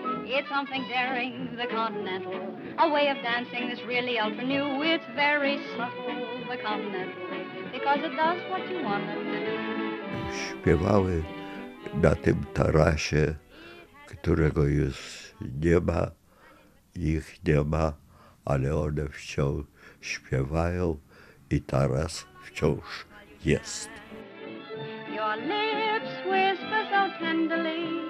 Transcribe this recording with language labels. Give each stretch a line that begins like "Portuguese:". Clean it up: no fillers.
English: It's something daring, the continental, a way of dancing that's really ultra new. It's very subtle, the continental, because it does what you want them to do.
Polish: Śpiewały na tym tarasie, którego już nie ma, ich nie ma, ale one wciąż śpiewają i taras wciąż jest.
English: your lips whisper so tenderly.